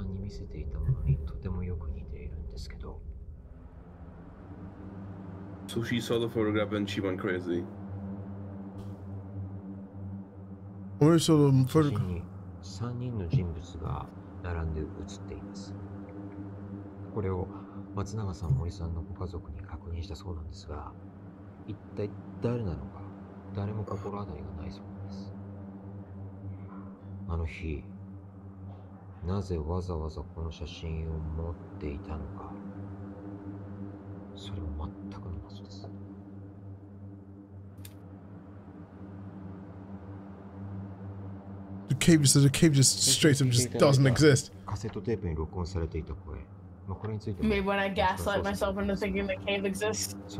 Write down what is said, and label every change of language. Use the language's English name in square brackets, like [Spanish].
[Japanese] 遺留品の写真なんですけど、これを洗浄して修復したものがこれになります。これは映像の中で松永さんが森さんに見せていたものにとてもよく似ているんですけど。 [English] So she saw the photograph and she went crazy. [Japanese] 写真に3人の人物が並んで写っています。これを 松永さん、森さんのご家族に確認したそうなんですが、一体誰なのか、誰も心当たりがないそうです。あの日、なぜわざわざこの写真を持っていたのか、それも全くの謎です。The [English] cave says the cave just straight up just doesn't exist. [Japanese] カセットテープに録音されていた声。 [English] Maybe when I gaslight myself into thinking the cave exists.